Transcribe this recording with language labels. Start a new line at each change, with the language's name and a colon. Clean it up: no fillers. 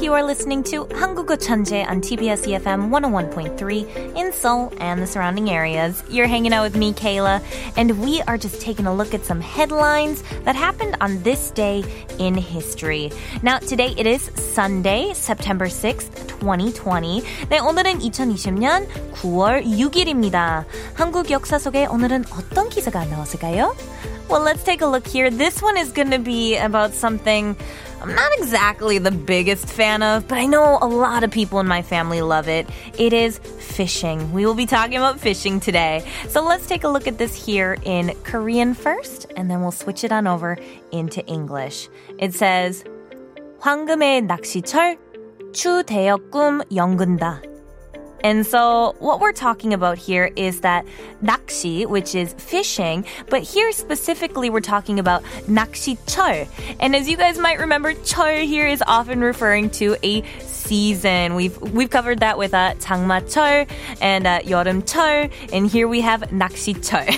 English: You are listening to 한국어 천재 on TBS EFM 101.3 in Seoul and the surrounding areas. You're hanging out with me, Kayla, and we are just taking a look at some headlines that happened on this day in history. Now, today it is Sunday, September 6th, 2020.
Korean: 네, 오늘은 2020년 9월 6일입니다. 한국 역사 속에 오늘은 어떤 기사가 나왔을까요?
English: Well, let's take a look here. This one is going to be about something I'm not exactly the biggest fan of, but I know a lot of people in my family love it. It is fishing. We will be talking about fishing today. So let's take a look at this here in Korean first, and then we'll switch it on over into English. It says,
Korean: 황금의 낚시철 추대역 꿈 연근다.
English: And so what we're talking about here is that 낚시, which is fishing, but here specifically we're talking about 낚시철. And as you guys might remember, 철 here is often referring to a season. We've covered that with 장마철 and 여름철, and here we have 낚시철.